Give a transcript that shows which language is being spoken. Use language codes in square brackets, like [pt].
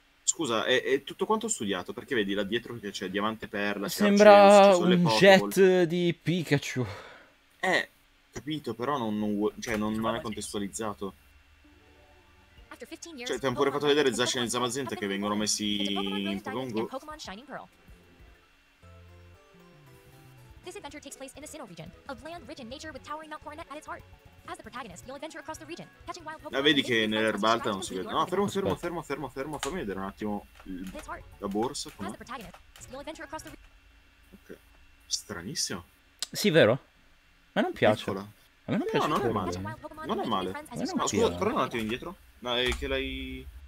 [it] Scusa, è tutto quanto studiato, perché vedi là dietro che c'è Diamante Perla, sembra Arceus, un jet di Pikachu. Capito, però non è contestualizzato. Cioè, ti hanno pure fatto vedere Zacian e Zamazenta che vengono messi in Pokémon Go. [en] This adventure takes place in the Sinnoh region, a land rich in nature with towering Mount Coronet at its heart. As the protagonist, you'll adventure across the region, catching wild Pokémon. [it] Vedi che nell'erba alta non si vede. No, fermo, fammi vedere un attimo la borsa. Ok, stranissimo. Sì, vero? Ma non piace. Eccola. A me non piace. No, non è male. Ma scusa, torna un attimo indietro. Ma è che l'hai...